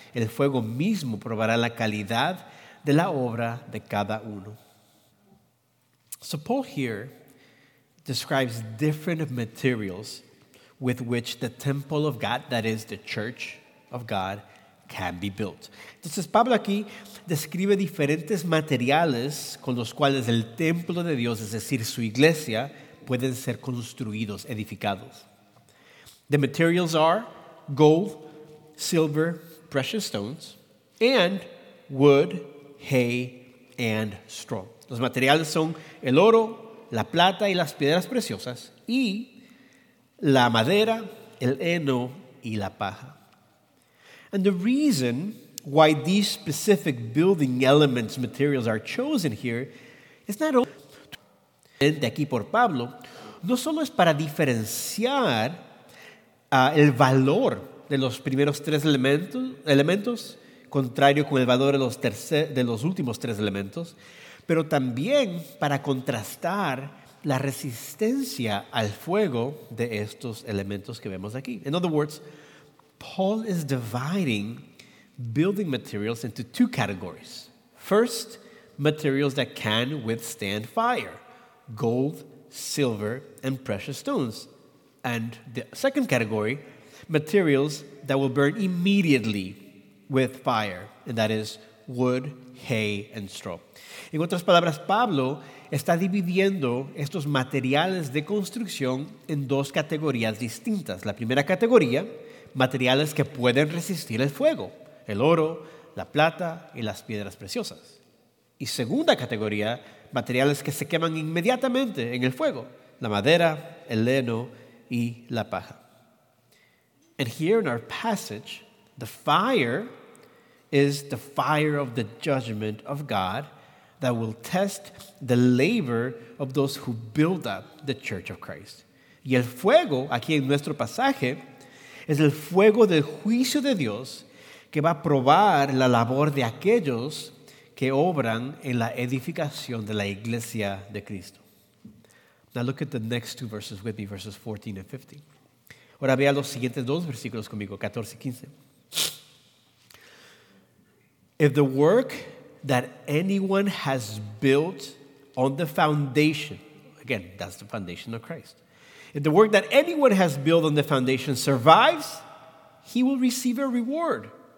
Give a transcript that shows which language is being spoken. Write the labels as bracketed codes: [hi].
[es] El fuego mismo probará la calidad de la obra de cada uno. [en] So Paul here describes different materials with which the temple of God, that is the church of God, can be built. [es] Entonces Pablo aquí describe diferentes materiales con los cuales el templo de Dios, es decir, su iglesia, pueden ser construidos, edificados. [en] The materials are gold, silver, precious stones, and wood, hay, and straw. [es] Los materiales son el oro, la plata y las piedras preciosas, y la madera, el heno y la paja. [en] And the reason why these specific building elements, materials are chosen here, is not only [es] de aquí por Pablo, no solo es para diferenciar el valor de los primeros tres elementos, contrario con el valor de los últimos tres elementos, pero también para contrastar la resistencia al fuego de estos elementos que vemos aquí. [en] In other words, Paul is dividing building materials into two categories. First, materials that can withstand fire: gold, silver, and precious stones. And the second category, materials that will burn immediately with fire, and that is wood, hay, and straw. [es] En otras palabras, Pablo está dividiendo estos materiales de construcción en dos categorías distintas. La primera categoría, materiales que pueden resistir el fuego: el oro, la plata y las piedras preciosas. Y segunda categoría, materiales que se queman inmediatamente en el fuego: la madera, el heno y la paja. [en] And here in our passage, the fire is the fire of the judgment of God that will test the labor of those who build up the church of Christ. [es] Y el fuego, aquí en nuestro pasaje, es el fuego del juicio de Dios que va a probar la labor de aquellos que obran en la edificación de la iglesia de Cristo. [en] Now look at the next two verses with me, verses 14 and 15. [es] Ahora vea los siguientes dos versículos conmigo, 14 y 15. [en] If the work that anyone has built on the foundation, again, that's the foundation of Christ. If the work that anyone has built on the foundation survives, he will receive a reward.